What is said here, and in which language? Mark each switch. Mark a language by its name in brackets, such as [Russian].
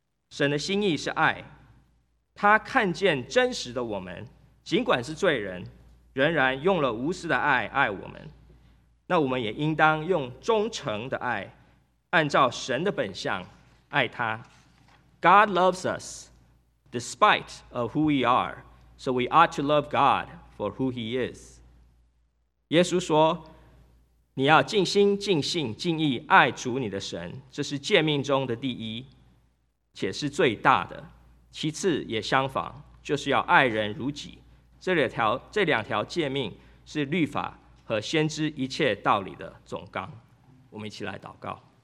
[Chinese] 神的心意是爱，他看见真实的我们，尽管是罪人，仍然用了无私的爱爱我们。那我们也应当用忠诚的爱，按照神的本相爱他。 [English] God loves us despite of who we are, so we ought to love God for who he is. [Chinese] 耶稣说，你要尽心尽性尽意爱主你的神，这是诫命中的第一且是最大的，其次也相仿，就是要爱人如己。这两条诫命是律法和先知一切道理的总纲。我们一起来祷告。